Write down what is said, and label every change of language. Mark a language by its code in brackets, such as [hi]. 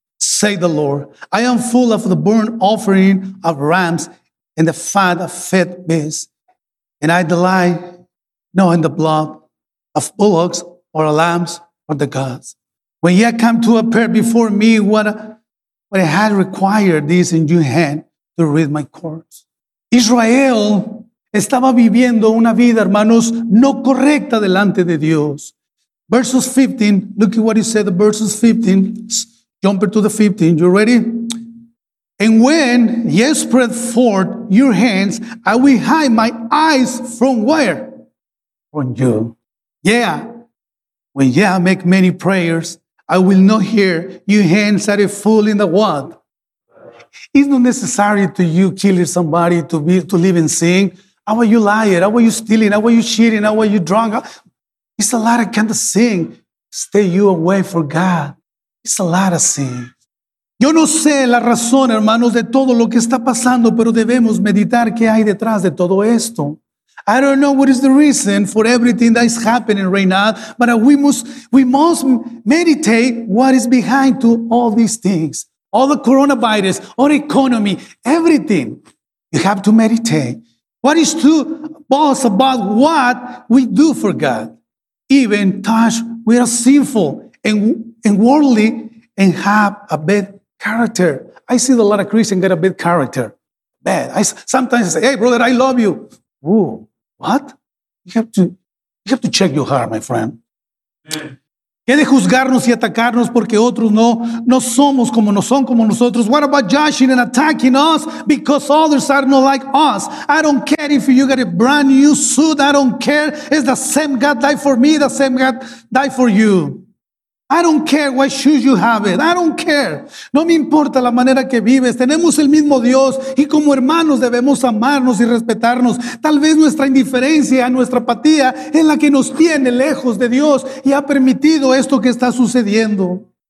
[en] Say the Lord, I am full of the burnt offering of rams and the fat of fat beasts, and I delight not in the blood of bullocks or lambs or the gods. When ye come to appear before me, what I had required this in your hand to read my courts. [es] Israel estaba viviendo una vida, hermanos, no correcta delante de Dios. [en] Verses 15, look at what he said, verses 15. Jump to the 15. You ready? And when ye spread forth your hands, I will hide my eyes from where? From you. Yeah. When ye make many prayers, I will not hear your hands are full in the what? It's not necessary to you killing somebody to live in sin. How are you lying? How are you stealing? How are you cheating? How are you drunk? It's a lot of kind of sin. Stay you away from God. It's a lot of sin. [es] Yo no sé la razón, hermanos, de todo lo que está pasando, pero debemos meditar qué hay detrás de todo esto. [en] I don't know what is the reason for everything that is happening right now, but we must meditate what is behind to all these things. All the coronavirus, all the economy, everything. You have to meditate. What is to boss about what we do for God? Even touch, we are sinful and worldly and have a bad character. I see a lot of Christians get a bad character. Bad. Sometimes I say, hey, brother, I love you. Ooh, what? You have to check your heart, my friend. [es] ¿Qué de juzgarnos y atacarnos porque otros no somos como no son como nosotros? [en] What about judging and attacking us because others are not like us? I don't care if you got a brand new suit. I don't care. It's the same God died for me, the same God died for you. I don't care what shoes you have it. I don't care. [es] No me importa la manera que vives. Tenemos el mismo Dios y como hermanos debemos amarnos y respetarnos. Tal vez nuestra indiferencia, nuestra apatía es la que nos tiene lejos de Dios y ha permitido esto que está sucediendo.